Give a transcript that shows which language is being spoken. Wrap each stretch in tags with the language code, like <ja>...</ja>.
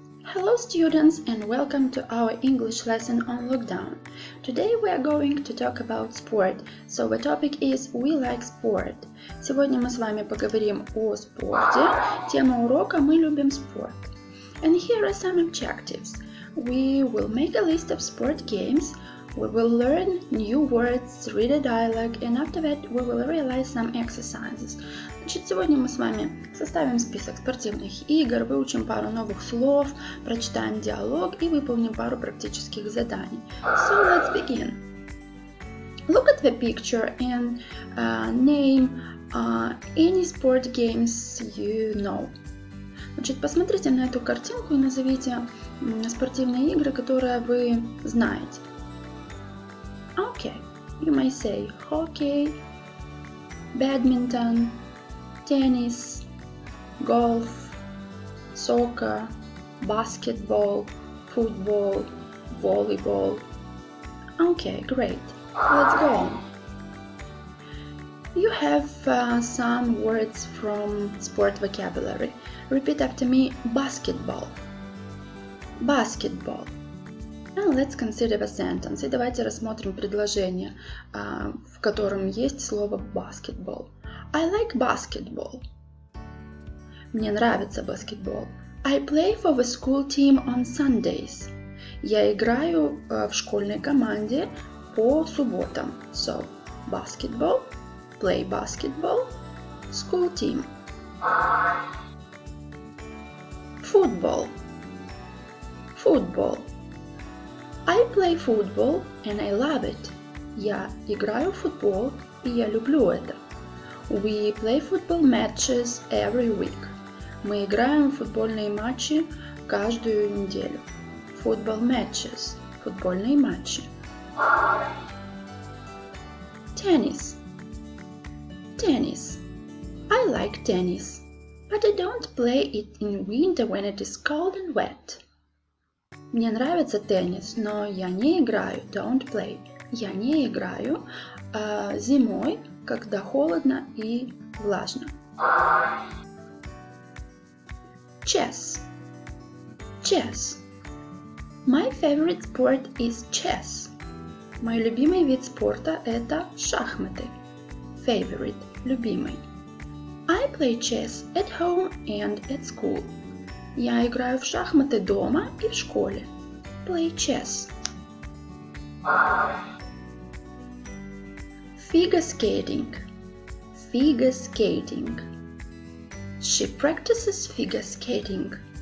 <en>Hello students and welcome to our English lesson on lockdown. Today we are going to talk about sport. So the topic is we like sport.</en> <ru>Сегодня мы с вами поговорим о спорте. Тема урока мы любим спорт.</ru> <en>And here are some objectives. We will make a list of sport games. We will learn new words, read a dialogue, and after that we will realize some exercises.</en> <ru>Значит, сегодня мы с вами составим список спортивных игр, выучим пару новых слов, прочитаем диалог и выполним пару практических заданий.</ru> <en>So let's begin. Look at the picture and name any sport games you know.</en> <ru>Значит, посмотрите на эту картинку и назовите спортивные игры, которые вы знаете.</ru> <en>Okay, you may say hockey, badminton, tennis, golf, soccer, basketball, football, volleyball. Okay, great. Let's go on. You have some words from sport vocabulary. Repeat after me, basketball. Basketball. Now let's consider the sentence.</en> <ru>И давайте рассмотрим предложение, в котором есть слово basketball.</ru> <en>I like basketball.</en> <ru>Мне нравится баскетбол.</ru> <en>I play for the school team on Sundays.</en> <ru>Я играю в школьной команде по субботам.</ru> <en>So, basketball, play basketball, school team. Football. Football. I play football and I love it.</en> <ru>Я играю в футбол и я люблю это.</ru> <en>We play football matches every week.</en> <ru>Мы играем в футбольные матчи каждую неделю.</ru> <en>Football matches.</en> <ru>Футбольные матчи.</ru> <en>Tennis. Tennis. I like tennis, but I don't play it in winter when it is cold and wet.</en> <ru>Мне нравится теннис, но я не играю,</ru> <en>don't play.</en> <ru>Я не играю зимой, когда холодно и влажно.</ru> <en>Chess. Chess. My favorite sport is chess.</en> <ru>Мой любимый вид спорта это шахматы.</ru> <en>Favorite,</en> <ru>любимый.</ru> <en>I play chess at home and at school.</en> <ru>Я играю в шахматы дома и в школе.</ru> <en>Play chess. Figure skating. Figure skating. She practices figure skating.</en>